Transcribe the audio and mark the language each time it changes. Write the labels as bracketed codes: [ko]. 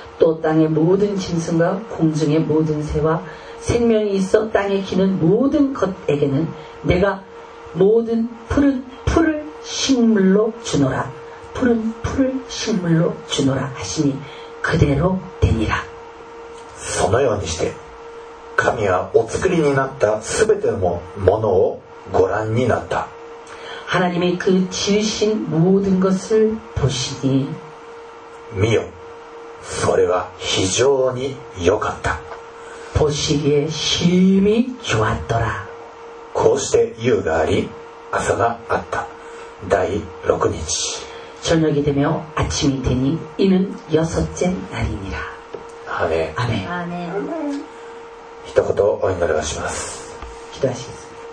[ko] と땅의모든짐승과공중의모든새와생명이있어땅에기는모든것에게는내가모든푸른풀을식물로주노라푸른풀을식물로주노라하시니그대로되니라 [ja] そのようにして神はお作りになったすべてのものをご覧になった [ko] 하나님이그지으신모든것을보시니 [ja] 미요それは非常に良かった [ko] 보시기에심히좋았더라 [ja] こうして夕があり朝があった第6日 [ko] 저녁이되며아침이되니이는여섯째날이니라 아멘 아멘 아멘 [ja] 一言お祈りをします。 [ko] 기도하시겠습니다